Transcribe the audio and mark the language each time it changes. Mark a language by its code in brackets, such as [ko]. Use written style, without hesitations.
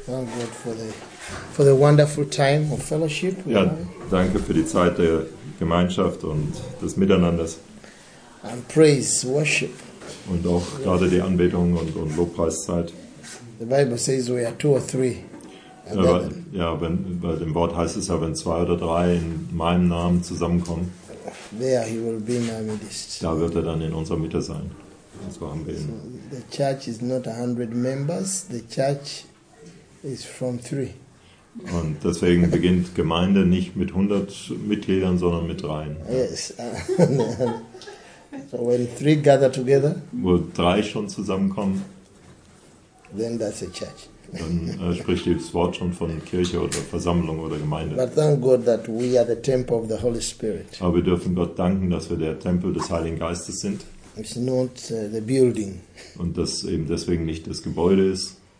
[en] Thank God for the wonderful time of fellowship. [de] Ja, danke für die Zeit der Gemeinschaft und des Miteinanders. [en] And praise, worship. [de] Und auch gerade die Anbetung und Lobpreiszeit. [en] The Bible says we are two or three. [de] Ja, bei dem Wort heißt es ja, wenn zwei oder drei in meinem Namen zusammenkommen, [en] there he will be my midst. [de] Da wird er dann in unserer Mitte sein. Und so haben wir ihn. [en] The church is not 100 members, the church is from three. [de] Und deswegen beginnt Gemeinde nicht mit 100 Mitgliedern, sondern mit dreien. [en] Yes. So when three gather together, [de] wo drei schon zusammenkommen, [en] then that's a church. [de] Dann spricht das Wort schon von Kirche oder Versammlung oder Gemeinde. [en] But thank God that we are the temple of the Holy Spirit. [de] Aber wir dürfen Gott danken, dass wir der Tempel des Heiligen Geistes sind. [en] It's not the building. [de] Und dass eben deswegen nicht das Gebäude ist.